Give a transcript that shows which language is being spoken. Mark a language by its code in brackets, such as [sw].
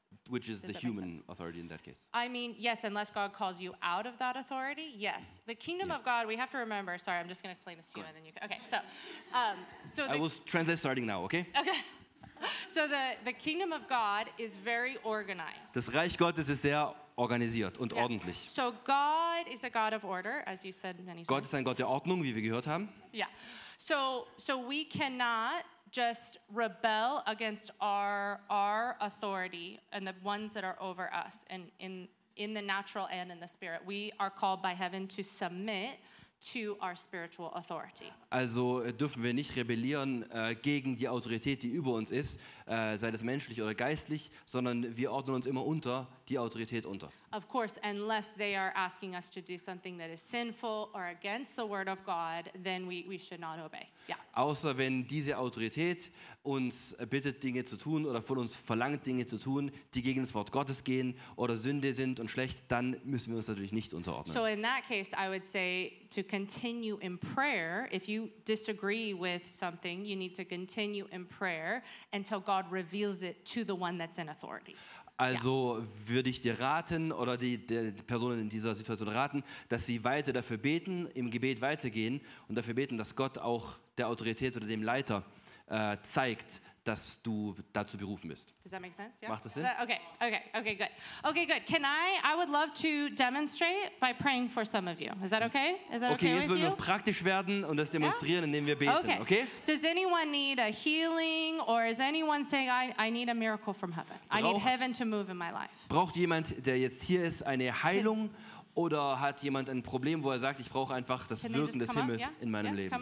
[en] Which is the human authority in that case. I mean, yes, unless God calls you out of that authority, yes. The kingdom of God, we have to remember, sorry, I'm just going to explain this to you and then you can, okay, so. I will translate starting now, okay? Okay. So the kingdom of God is very organized. [de] Das Reich Gottes ist sehr organisiert und ordentlich. [en] So God is a God of order, as you said many times. [de] Gott ist ein Gott der Ordnung, wie wir gehört haben. [en] Yeah. So we cannot just rebel against our authority and the ones that are over us and in the natural and in the spirit. We are called by heaven to submit to our spiritual authority. [de] Also dürfen wir nicht rebellieren gegen die Autorität, die über uns ist, sei das menschlich oder geistlich, sondern wir ordnen uns immer unter die Autorität unter. [en] Of course, unless they are asking us to do something that is sinful or against the word of God, then we should not obey. Yeah. [de] Außer wenn diese Autorität uns bittet, Dinge zu tun oder von uns verlangt, Dinge zu tun, die gegen das Wort Gottes gehen oder Sünde sind und schlecht, dann müssen wir uns natürlich nicht unterordnen. [en] So in that case, I would say to continue in prayer. If you disagree with something, you need to continue in prayer until God reveals it to the one that's in authority. [de] Also würde ich dir raten oder die Personen in dieser Situation raten, dass sie weiter dafür beten, im Gebet weitergehen und dafür beten, dass Gott auch der Autorität oder dem Leiter zeigt, dass du dazu berufen bist. [en] Does that make sense? [de] Yeah. Macht das Sinn? Yeah. [en] Okay, good. Okay, good. Can I would love to demonstrate by praying for some of you. Is that okay? Is that okay [de] jetzt wollen wir praktisch werden und das demonstrieren, indem wir beten, okay? [en] Does anyone need a healing or is anyone saying, I need a miracle from heaven? I need heaven to move in my life. [de] Braucht jemand, der jetzt hier ist, eine Heilung oder hat jemand ein Problem, wo er sagt, ich brauche einfach das Wirken des Himmels in meinem Leben?